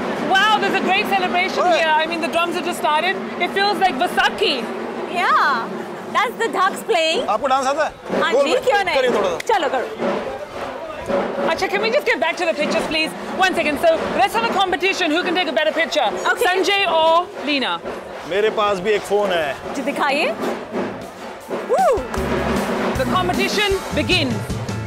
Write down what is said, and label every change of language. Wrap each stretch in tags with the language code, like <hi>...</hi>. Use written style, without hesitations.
<en>Wow, there's a great celebration here. I mean, the drums have just started. It feels like Vaisakhi. Yeah. That's the ducks playing.</en> <hi>आपको dance आता है? हाँ जी क्यों नहीं? करिए थोड़ा सा. चलो करो.</hi> <en>अच्छा, can we just get back to the pictures, please? One second. So let's have a competition. Who can take a better picture? Okay. Sanjay or Lina?</en> <hi>मेरे पास भी एक फोन है. जी दिखाइए. Woo!</hi> <en>The competition begins.</en>